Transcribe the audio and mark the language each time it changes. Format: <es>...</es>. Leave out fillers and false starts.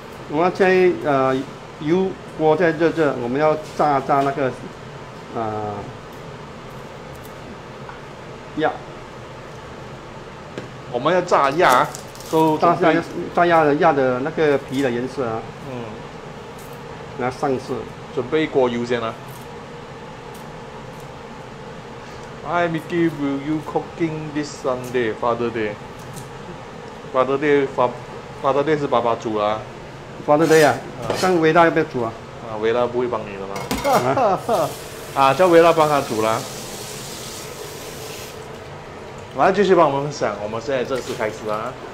<zh>我们在油锅在热热，我们要炸那个鸭。我们要炸鸭。大鸭的鸭的那个皮的颜色啊，那上色，准备一锅油先啊。</zh> <en>Hi Mickey, will you cooking this Sunday, Father Day?</en> <zh>Father Day 是爸爸煮啦、啊。 Father Day 啊，像维拉要不要煮啊？啊，维拉不会帮你的啦。啊，叫维拉帮他煮啦。来，继续帮我们分享，我们现在正式开始啊。</zh>